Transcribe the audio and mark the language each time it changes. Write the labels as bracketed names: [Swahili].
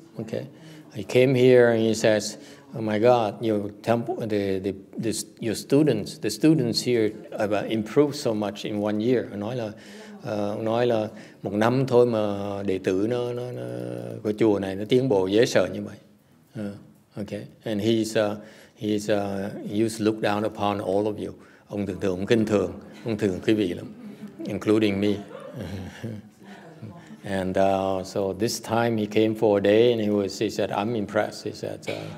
[English] Okay. He came here and he says, "Oh my God, your temple, the students here have improved so much in 1 year." [Vietnamese] Nói là một năm thôi mà đệ tử nó của chùa này nó tiến bộ dễ sợ như vậy. [English] Okay. And he used to look down upon all of you. [Vietnamese] Ông thường thường ông kinh thường, ông thường quý vị lắm. [English] Including me. And so this time he came for a day and he said, "I'm impressed." He said,